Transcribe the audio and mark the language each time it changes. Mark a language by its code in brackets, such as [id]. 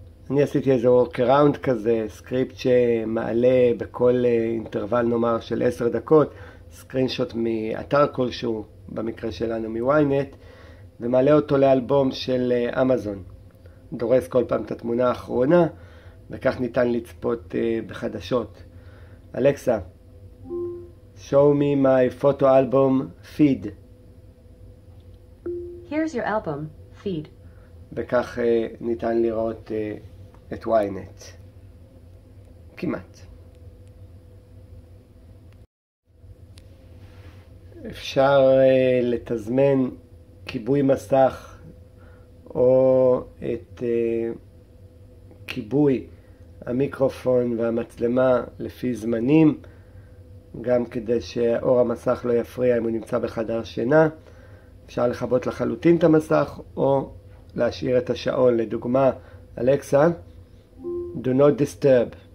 [he] אני עשיתי איזה workaround כזה, סקריפט שמעלה בכל אינטרוול נאמר של 10 דקות, סקרינשוט מאתר כלשהו, במקרה שלנו מ-Ynet, ומעלה אותו לאלבום של אמזון. דורס כל פעם את התמונה האחרונה, וכך ניתן לצפות בחדשות. [en] אלכסה, show me my photo album feed. Here's your album feed. [he] וכך ניתן לראות את ויינט. כמעט. אפשר לתזמן כיבוי מסך או את כיבוי המיקרופון והמצלמה לפי זמנים, גם כדי שאור המסך לא יפריע אם הוא נמצא בחדר שינה. אפשר לחבות לחלוטין את המסך או להשאיר את השעון. [en] לדוגמה, אלכסה, do not disturb.